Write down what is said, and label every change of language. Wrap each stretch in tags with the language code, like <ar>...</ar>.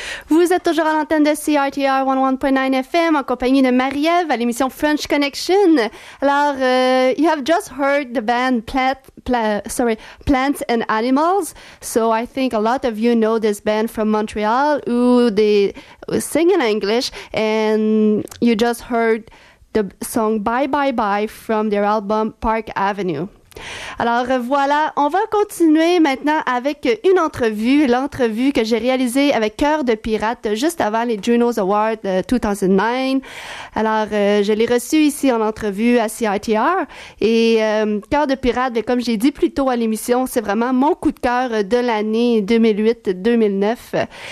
<fr>Vous êtes toujours à l'antenne de CITR 101.9 FM en compagnie de Marie-Ève à l'émission French Connection.</fr> <en>Alors, you have just heard the band Plants and Animals. So I think a lot of you know this band from Montreal who they sing in English. And you just heard the song Bye Bye Bye from their album Park Avenue.</en> <fr>Alors voilà, on va continuer maintenant avec une entrevue, l'entrevue que j'ai réalisée avec Cœur de Pirate juste avant les Juno's Awards 2009. Alors je l'ai reçue ici en entrevue à CITR et Cœur de Pirate, bien, comme j'ai dit plus tôt à l'émission, c'est vraiment mon coup de cœur de l'année 2008-2009.</fr>